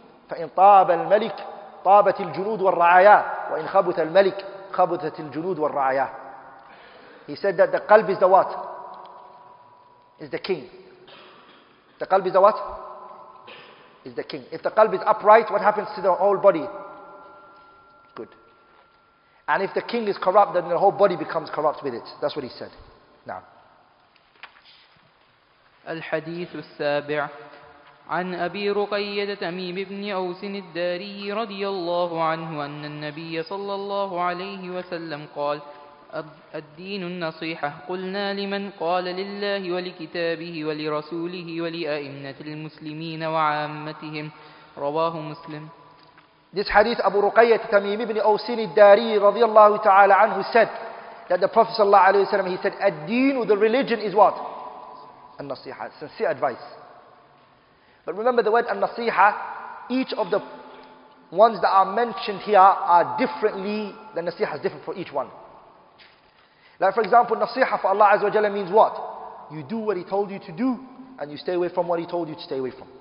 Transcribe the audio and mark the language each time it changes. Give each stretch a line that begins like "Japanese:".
Arabic: فإن طاب الملك طابت الجنود والرعايا وإن خبث الملك خبثت الجنود والرعايا.
English: He said that the قلب is the what? Is the king. The قلب is the what? Is the king. If the قلب is upright, what happens to the whole body? Good. And if the king is corrupt, then the whole body becomes corrupt with it. That's what he said. Now
Arabic: الحديث السابع عن أبي رقية تميم بن أوس الداري رضي الله عنه أن النبي صلى الله عليه وسلم قال الدين النصيحة قلنا لمن قال لله ولكتابه ولرسوله ولأئمة المسلمين وعامتهم رواه مسلم.
English: This hadith أبو رقية تميم بن أوس الداري
Arabic: رضي الله تعالى عنه
English: said that the Prophet
Arabic: صلى الله عليه وسلم
English: he said الدين the religion is what? An-nasiha, sincere advice. But remember the word an-nasiha, each of the ones that are mentioned here are differently, the nasiha is different for each one. Like for example, nasiha for Allah Azza wa Jalla means what? You do what He told you to do, and you stay away from what He told you to stay away from.